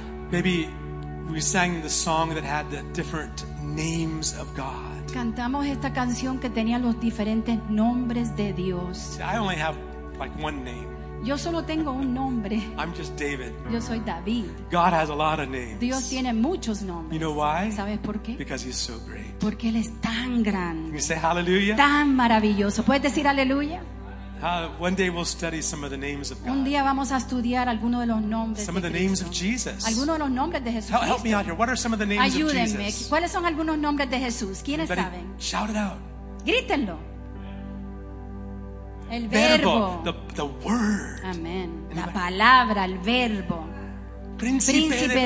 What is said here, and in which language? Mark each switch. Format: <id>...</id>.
<en>Maybe we sang the song that had the different names of God.</en> <es>Cantamos esta canción que tenía los diferentes nombres de Dios.</es> <en>I only have like one name.</en> <es>Yo solo tengo un nombre.</es> <en>I'm just David.</en> <es>Yo soy David.</es> <en>God has a lot of names.</en> <es>Dios tiene muchos nombres.</es> <en>You know why?</en> <es>¿Sabes por qué?</es> <en>Because he's so great.</en> <es>Porque él es tan grande.</es> <en>Can you say hallelujah?</en> <es>Tan maravilloso. ¿Puedes decir aleluya?</es> <en>One day we'll study some of the names of God.</en> <es>Un día vamos a estudiar algunos de los nombres.</es> <en>Some of the names of Jesus.</en> <es>Algunos de los nombres de Jesús.</es> <en>Help me out here. What are some of the names of Jesus?</en> <es>Ayúdenme. ¿Cuáles son algunos nombres de Jesús? ¿Quiénes</es> <en>Everybody,</en> <es>saben?</es> <en>Shout it out.</en> <es>Grítenlo. El verbo.</es> <en>The word.</en> <es>Amen. La palabra, el verbo. Príncipe</es>